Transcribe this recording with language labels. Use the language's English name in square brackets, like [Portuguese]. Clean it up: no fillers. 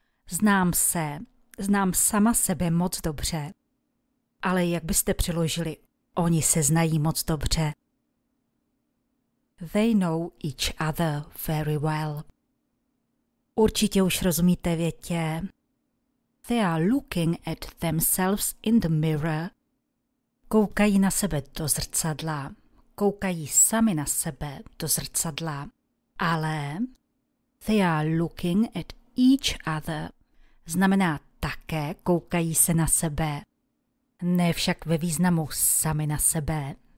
[Czech] Znám se, znám sama sebe moc dobře. Ale jak byste přiložili, oni se znají moc dobře. [English] They know each other very well. [Czech] Určitě už rozumíte větě. [English] They are looking at themselves in the mirror. [Czech] Koukají na sebe do zrcadla. Koukají sami na sebe do zrcadla. [English] Ale they are looking at each other. [Czech] Znamená také koukají se na sebe. Ne však ve významu sami na sebe.